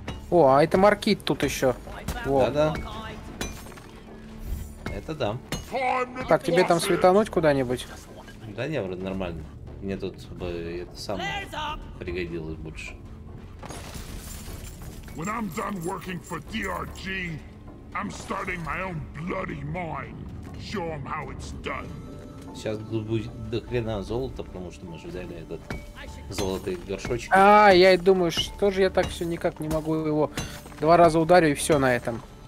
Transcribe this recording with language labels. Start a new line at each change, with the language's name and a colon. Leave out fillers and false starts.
Russian: О, а это маркит тут еще. Да-да. Это да. Так, тебе там светануть куда-нибудь? Да не, вроде нормально. Мне тут бы это сам пригодилось больше.
English: When I'm done working for DRG, I'm starting my own bloody mine. Show 'em how it's done.
Russian: Сейчас тут будет до хрена золота, потому что мы же взяли этот золотой горшочек. А, я и думаю, что же я так все никак не могу его два раза ударю и все на этом.